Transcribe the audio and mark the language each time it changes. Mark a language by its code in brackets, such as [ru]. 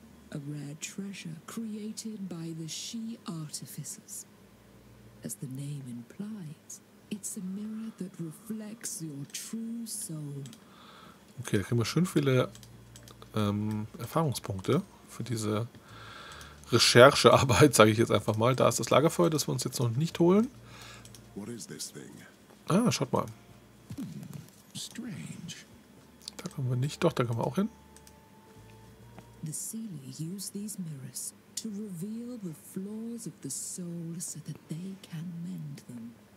[en] A rare treasure created by the Shi Artificers. As the name implies, it's a mirror that reflects your true soul. [de] Okay, da kriegen wir schön viele Erfahrungspunkte für diese Recherchearbeit, sage ich jetzt einfach mal. Da ist das Lagerfeuer, das wir uns jetzt noch nicht holen. [en] What is this thing? [de] Ah, schaut mal. [en] Strange. [de] Da kommen wir nicht, doch, da kommen wir auch hin. [en] The Seelie use these mirrors to reveal the flaws of the soul so that they can mend them.